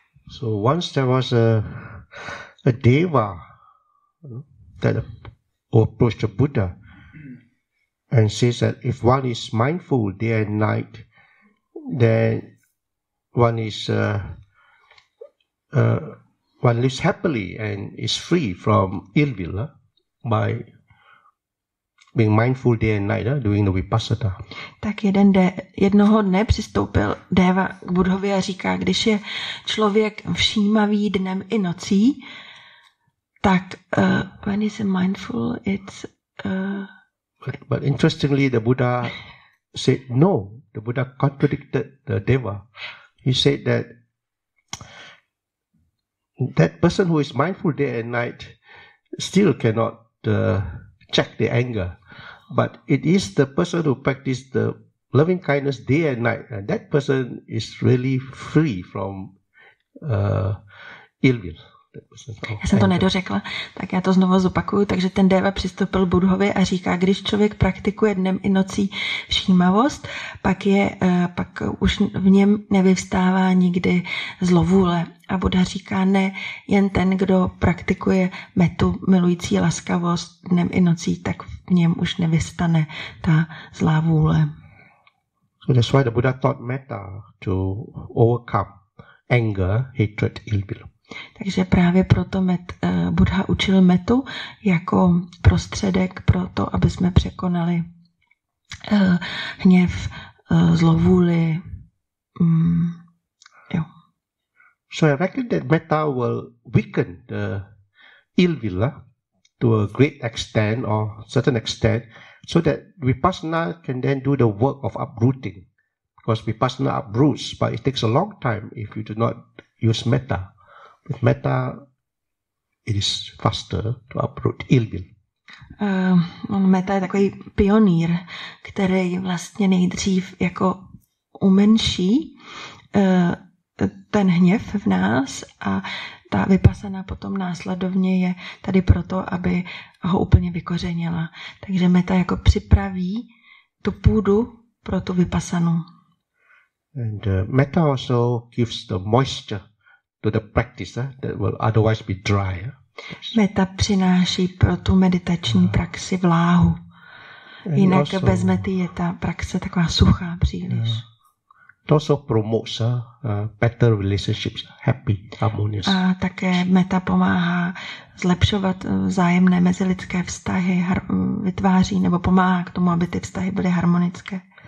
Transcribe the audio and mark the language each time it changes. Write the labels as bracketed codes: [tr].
[en] So once there was a deva that approached the Buddha and says that if one is mindful day and night, then one is one lives happily and is free from ill will by being mindful day and night, doing the vipassana. [cs] Tak jednoho dne přistoupil déva k Budhovi a říká, když je člověk všímavý dnem i nocí, tak [en] when is mindful, it's but interestingly, the Buddha said no. The Buddha contradicted the deva. He said that that person who is mindful day and night still cannot check the anger. But it is the person who practices the loving kindness day and night. And that person is really free from ill will. [cs] Já jsem to nedořekla, tak já to znovu zopakuju. Takže ten déva přistoupil Budhovi a říká, když člověk praktikuje dnem i nocí všímavost, pak už v něm nevyvstává nikdy zlovůle. A Buddha říká, ne, jen ten, kdo praktikuje metu milující laskavost dnem i nocí, tak v něm už nevystane ta zlá vůle. [en] So that's why the Buddha taught metta to overcome anger, hatred, ill will. [cs] Takže právě proto Buddha učil metu jako prostředek pro to, aby jsme překonali hněv, zlovůli. Jo. [en] So I reckon that metta will weaken the ill will to a great extent or certain extent, so that vipassana can then do the work of uprooting, because vipassana uproots, but it takes a long time if you do not use metta. With metta, it is faster to uproot ill will. [cs] Metta je takový pionýr, který vlastně nejdřív jako umenší ten hněv v nás, a ta vipassana potom následovně je tady proto, aby ho úplně vykořenila. Takže metta jako připraví tu půdu pro tu vipassanu. [en] And metta also gives the moisture to the practice that will otherwise be dry. [cs] Metta přináší pro tu meditační praxi vláhu. Jinak [en] also, [cs] bez mety je ta praxe taková suchá příliš. [en] To also promotes better relationships, happy, harmonious. [cs] A také metta pomáhá zlepšovat vzájemné mezilidské vztahy, vytváří nebo pomáhá k tomu, aby ty vztahy byly harmonické.